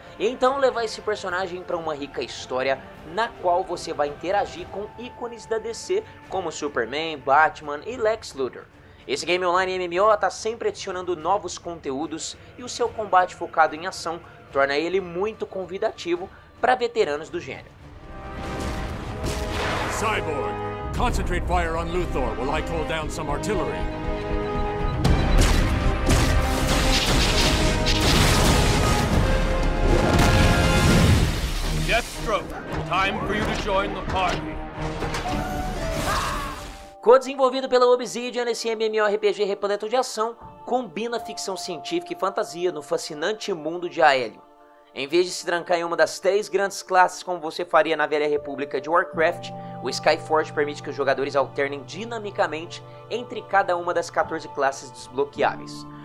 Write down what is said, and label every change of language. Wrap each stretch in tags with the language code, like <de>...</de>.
<pt>E então levar esse personagem para uma rica história na qual você vai interagir com ícones da DC como Superman, Batman e Lex Luthor. Esse game online MMO está sempre adicionando novos conteúdos e o seu combate focado em ação torna ele muito convidativo para veteranos do gênero.</pt> <en>Cyborg, concentrate fire on Luthor while I call down some artillery. Deathstroke, time for you to join the party.</en> <pt>Co-desenvolvido pela Obsidian, esse MMORPG repleto de ação combina ficção científica e fantasia no fascinante mundo de Aelion. Em vez de se trancar em uma das três grandes classes como você faria na velha república de Warcraft, o Skyforge permite que os jogadores alternem dinamicamente entre cada uma das 14 classes desbloqueáveis.</pt>